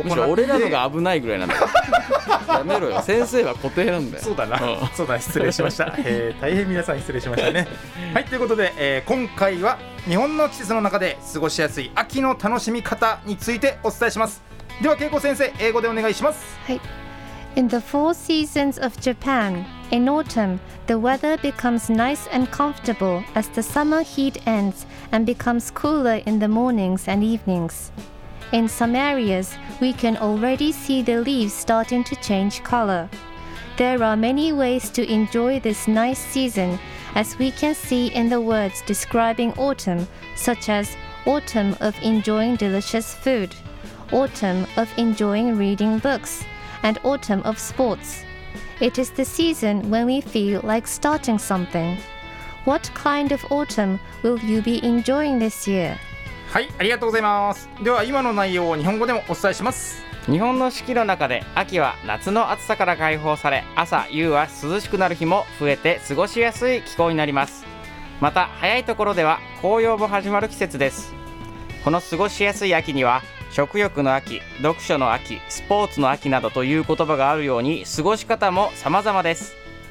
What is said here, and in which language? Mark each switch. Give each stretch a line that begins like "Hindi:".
Japanese: って、むしろ俺らのが危ないぐらいなんだよ。やめろよ、先生は固定なんだよ。そうだな、うん、そうだ、失礼しました、大変皆さん失礼しましたね。はい、ということで、今回は日本の季節の中で過ごしやすい秋の楽しみ方についてお伝えします。では恵子先生、英語でお願いします。はい。
English: In the four seasons of Japan, in autumn, the weather becomes nice and comfortable as the summer heat ends and becomes cooler in the mornings and evenings. In some areas, we can already see the leaves starting to change color. There are many ways to enjoy this nice season, as we can see in the words describing autumn, such as autumn of enjoying delicious food, autumn of enjoying reading books,and autumn of sports. It is the season when we feel like starting something. What kind of autumn will you be enjoying this year?
Japanese: はい、ありがとうございます。では今の内容を日本語でもお伝えします。日本の四季の中で秋は夏の暑さから解放され、朝夕は涼しくなる日も増えて過ごしやすい気候になります。また早いところでは紅葉も始まる季節です。この過ごしやすい秋には食欲の秋、読書の秋、スポーツの秋などという言葉があるように過ごし方も様々です。